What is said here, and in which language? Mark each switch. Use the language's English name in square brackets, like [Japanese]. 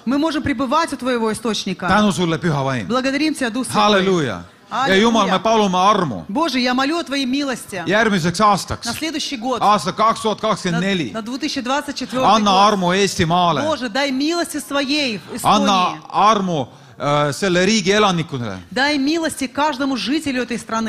[Russian] Мы можем пребывать у твоего источника. [Estonian] Tänu sulle, püha vaim. [Russian] Благодарим тебя, Дух Святой. [Estonian] Halleluja. Ja Jumal, me palume armu. [Russian] Боже, я молю о твоей милости. [Estonian] Järgmiseks aastaks. [Russian] На следующий год. [Estonian] Aasta 2024. [Russian] На 2024. [Estonian] Anna armu Eestimaale. [Russian] Боже, дай милости своей Эстонии. [Estonian] Anna armu selle riigi elanikudele. [Russian] Дай милости каждому жителю этой страны.